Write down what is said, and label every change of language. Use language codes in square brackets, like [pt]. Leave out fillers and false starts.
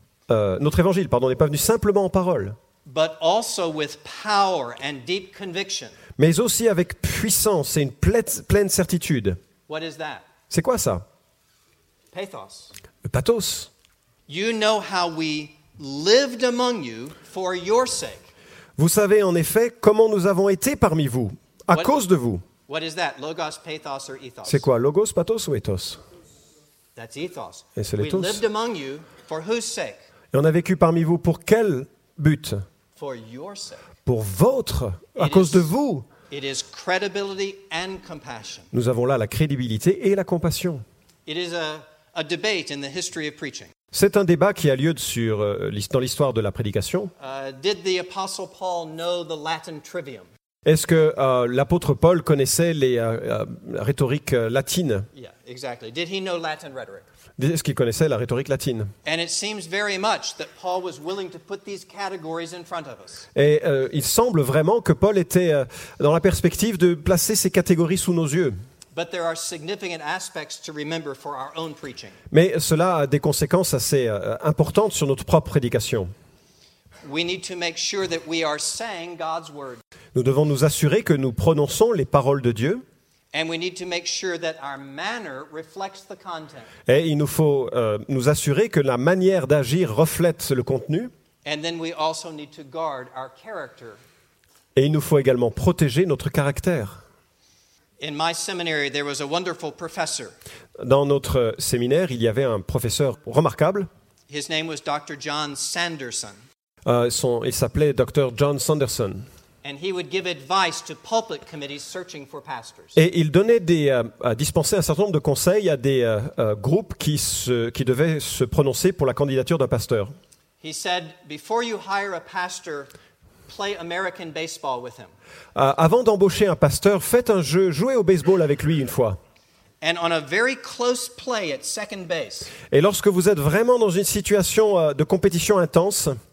[fr] Notre évangile, pardon, n'est pas venu simplement en paroles. [en] But also with power and deep conviction. [fr] Mais aussi avec puissance et une pleine certitude. [en] What is that? [fr] C'est quoi ça? [en] Pathos. [fr] Le pathos. [en] You know how we lived among you for your sake. [fr] Vous savez en effet comment nous avons été parmi vous, cause de vous. [en] What is that? Logos, pathos, or ethos? [fr] C'est quoi, logos, pathos ou ethos? [en] That's ethos. [fr] Et c'est l'ethos. [en] We lived among you for whose sake? [fr] Et on a vécu parmi vous pour quel but? [en] For your sake. [fr] Pour votre, à cause de vous. [en] It is credibility and compassion. [fr] Nous avons là la crédibilité et la compassion. [en] It is a debate in the history of preaching. [fr] C'est un débat qui a lieu dans l'histoire de la prédication. [en] Did the apostle Paul know the Latin trivium? [fr] Est-ce que l'apôtre Paul connaissait les rhétoriques latines? [en] Yeah, exactly. Did he know Latin rhetoric? [fr] Est-ce qu'il connaissait la rhétorique latine? Et il semble vraiment que Paul était dans la perspective de placer ces catégories sous nos yeux. [en] But there are significant aspects to remember for our own preaching. [fr] Mais cela a des conséquences assez importantes sur notre propre prédication. [en] We need to make sure that we are saying God's word. [fr] Nous devons nous assurer que nous prononçons les paroles de Dieu. [en] And we need to make sure that our manner reflects the content. [fr] Et il nous faut nous assurer que la manière d'agir reflète le contenu. [en] And then we also need to guard our character. [fr] Et il nous faut également protéger notre caractère. [en] In my seminary, there was a wonderful professor. [fr] Dans notre séminaire, il y avait un professeur remarquable. [en] His name was Dr. John Sanderson. [fr] Il s'appelait Dr. John Sanderson. [en] And he would give advice to pulpit committees searching for pastors. [fr] Et il donnait dispensait un certain nombre de conseils à des groupes qui devaient se prononcer pour la candidature d'un pasteur. [en] He said, before you hire a pastor, play American baseball with him. [fr] Avant d'embaucher un pasteur, faites un jeu, jouez au baseball avec lui une fois. [en] And on a very close play at second base. [fr] Et lorsque vous êtes vraiment dans une situation de compétition intense,